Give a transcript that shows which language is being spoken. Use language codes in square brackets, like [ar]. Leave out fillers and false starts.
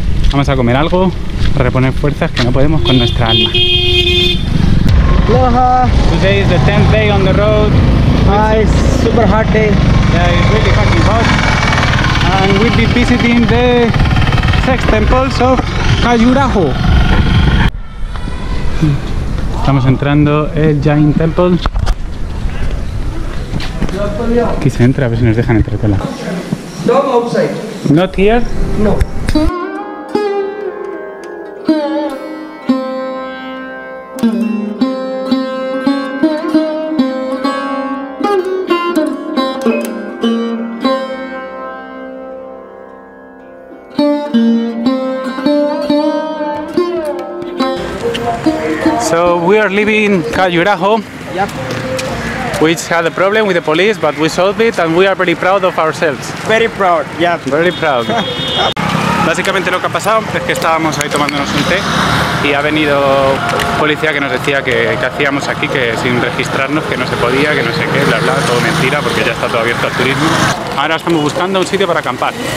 [es] Vamos a comer algo, a reponer fuerzas que no podemos con nuestra alma. Aloha. [en] Today is the 10th day on the road. It's super hot day. Yeah, it's really fucking hot. And we'll be visiting the sex temples of Kayurajo. [es] Estamos entrando el Giant Temple. Aquí se entra, a ver si nos dejan entrar con la. [en] Not here? No. So we are leaving Kayurajo. Yep. We had a problem with the police, but we solved it and we are very proud of ourselves. Very proud, yeah. Very proud. [es] Básicamente lo que ha pasado es que estábamos ahí tomándonos un té y ha venido policía que nos decía que hacíamos aquí, que sin registrarnos, que no se podía, que no sé qué, bla bla, todo mentira porque ya está todo abierto al turismo. Ahora estamos buscando un sitio para acampar.